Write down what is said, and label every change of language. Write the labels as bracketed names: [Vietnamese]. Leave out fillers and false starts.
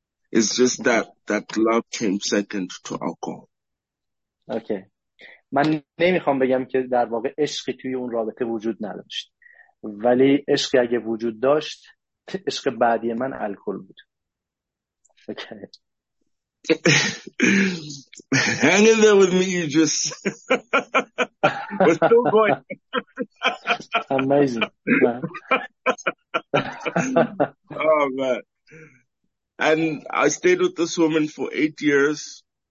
[English] It's just that love came second to alcohol. Okay. [Persian] من نمیخوام بگم که در واقع عشقی توی اون رابطه وجود نداشت، ولی عشقی اگه وجود داشت، عشق بعدی من الکل بود. [English] Okay. Hang in there with me, you just we're still going. Amazing. Oh man. And I stayed with this woman for 8 years.